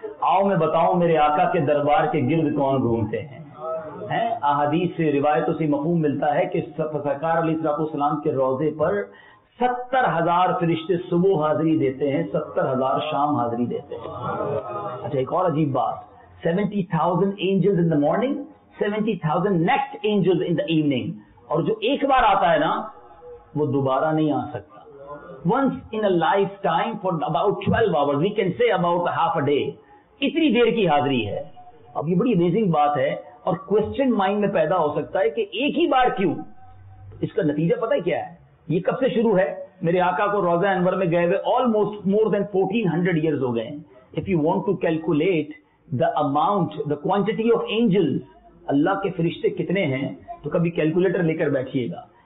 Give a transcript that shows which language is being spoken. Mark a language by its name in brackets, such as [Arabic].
[Urdu] آؤ میں بتاؤں میرے آقا کے دربار کے گرد کون گھومتے ہیں؟ احادیث سے روایتوں سے مفہوم ملتا ہے کہ سرکار علیہ السلام کے روضے پر 70,000 فرشتے صبح حاضری دیتے ہیں, 70,000 شام حاضری دیتے ہیں. اچھا ایک اور عجیب بات, [English] 70,000 angels in the morning, 70,000 next angels in the evening. [Urdu] اور جو ایک بار آتا ہے نا وہ دوبارہ نہیں آ سکتا. [English] Once in a lifetime for about 12 hours, we can say about half a day. [Urdu] اتنی دیر کی حاضری ہے. اب یہ بڑی amazing بات ہے اور question mind میں پیدا ہو سکتا ہے کہ ایک ہی بار کیوں؟ اس کا نتیجہ پتہ ہے کیا ہے؟ یہ کب سے شروع ہے؟ میرے آقا کو روضہ انور میں گئے ہوئے [English] almost more than 1400 years [Urdu] ہو گئے ہیں. [English] if you want to calculate the amount the quantity of angel, [Urdu] اللہ کے فرشتے کتنے ہیں, تو کبھی کیلکولیٹر لے کر بیٹھیے گا.